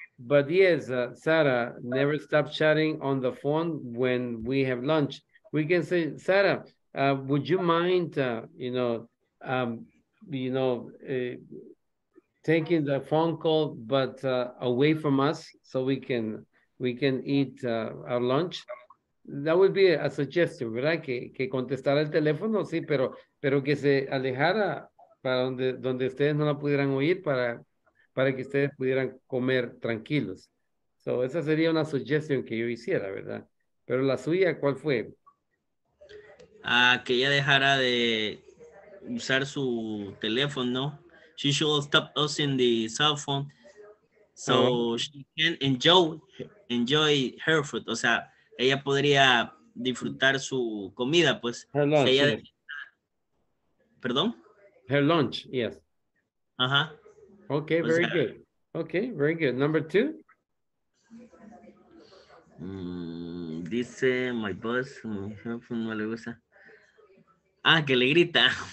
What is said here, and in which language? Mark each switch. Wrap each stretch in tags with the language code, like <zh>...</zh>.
<en>But yes, Sarah, never stop chatting on the phone when we have lunch. We can say, Sarah, would you mind, taking the phone call, but away from us, so we can eat our lunch? That would be a suggestion, ¿verdad?</en> <es>Que contestara el teléfono, sí, pero que se alejara para donde ustedes no la pudieran oír para que ustedes pudieran comer tranquilos. So, esa sería una suggestion que yo hiciera, ¿verdad? Pero la suya, ¿cuál fue? Que ella dejara de usar su teléfono.</es> <en>She should stop using the cell phone so she can enjoy her food.</en> <es>O sea, ella podría disfrutar su comida, pues.</es> <en>Her lunch.</en> <es>Ella...</es> <en>Yes.</en> <es>¿Perdón?</es> <en>Her lunch, yes. Ajá. Okay, very good. Okay, very good. Number two?</en> <es>Dice my boss, no le gusta. Ah, que le grita.</es>